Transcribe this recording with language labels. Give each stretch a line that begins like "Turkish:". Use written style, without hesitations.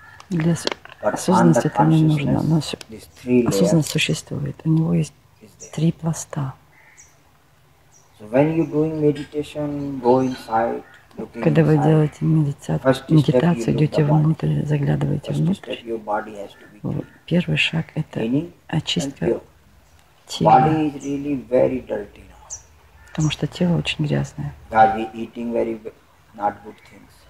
Russian: Для осознанности это не нужно, но осознанность существует. У него есть три пласта.
English: So when you're doing meditation, go inside, looking inside.
Russian: Когда вы делаете медитацию, идете внутрь, заглядываете внутрь. Первый шаг – это очистка тела.
English: Body is really very dirty.
Russian: Потому что тело очень грязное.
English: Not good things.